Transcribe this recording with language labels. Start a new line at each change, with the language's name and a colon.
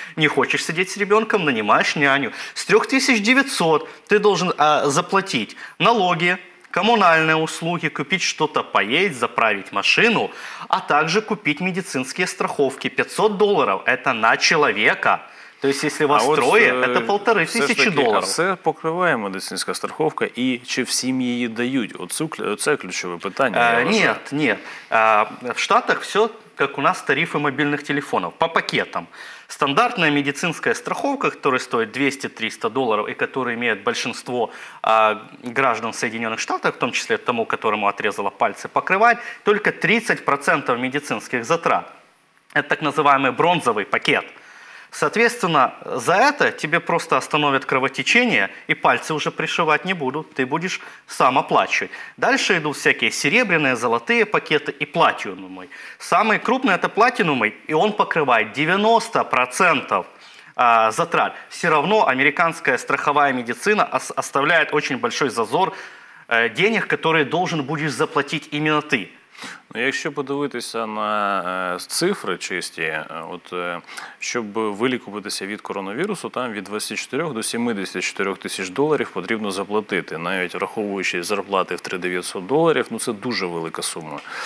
Russian: Не хочешь сидеть с ребенком, нанимаешь няню. С 3900 ты должен заплатить налоги, коммунальные услуги, купить что-то поесть, заправить машину, а также купить медицинские страховки. 500 долларов – это на человека. То есть, если вас трое, это 1500 долларов.
Ukrainian: Все покриває медицинська страховка, і чи всім її дають? Оце ключове питання.
Russian: Нет. В Штатах все, как у нас, тарифы мобильных телефонов, по пакетам. Стандартная медицинская страховка, которая стоит 200-300 долларов и которую имеют большинство граждан Соединенных Штатов, в том числе тому, которому отрезала пальцы, покрывает только 30% медицинских затрат. Это так называемый бронзовый пакет. Соответственно, за это тебе просто остановят кровотечение, и пальцы уже пришивать не будут, ты будешь сам оплачивать. Дальше идут всякие серебряные, золотые пакеты и платинумы. Самый крупный – это платинумы, и он покрывает 90% затрат. Все равно американская страховая медицина оставляет очень большой зазор денег, которые должен будешь заплатить именно ты.
Ukrainian: Ну, якщо подивитися на цифри чисті, от, щоб вилікуватися від коронавірусу, там від 24 до 74 тисяч доларів потрібно заплатити. Навіть враховуючи зарплати в 3900 доларів, ну це дуже велика сума.